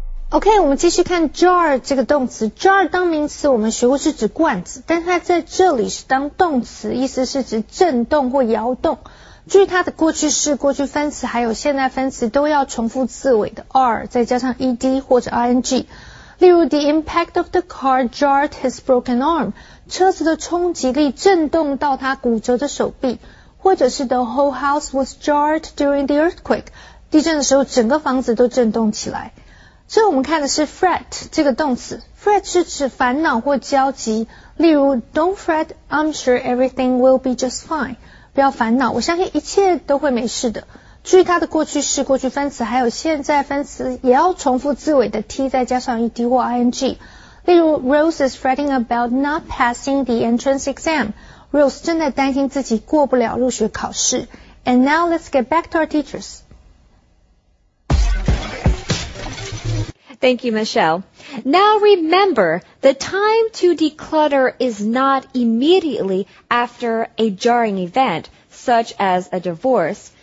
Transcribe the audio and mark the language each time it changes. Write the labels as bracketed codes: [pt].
[zh] OK, 我们继续看 jar 这个动词。jar 当名词我们学过是指罐子，但它在这里是当动词，意思是指震动或摇动。注意它的过去式、过去分词还有现在分词都要重复字尾的 r 再加上 ed 或者 ing。例如 [en] ,the impact of the car jarred his broken arm, [zh] 车子的冲击力震动到他骨折的手臂。或者是 [en] the whole house was jarred during the earthquake, [zh] 地震的时候整个房子都震动起来。所以我们看的是 fret 这个动词 ,fret 是指烦恼或焦急，例如 [en] don't fret, I'm sure everything will be just fine, [zh] 不要烦恼，我相信一切都会没事的。注意它的过去式、过去分词还有现在分词也要重复字尾的 t 再加上 ed 或 ing, 例如 [en] Rose is fretting about not passing the entrance exam, [zh] Rose 正在担心自己过不了入学考试。 [en] And now let's get back to our teachers. Thank you, Michelle. Now remember, the time to declutter is not immediately after a jarring event, such as a divorce.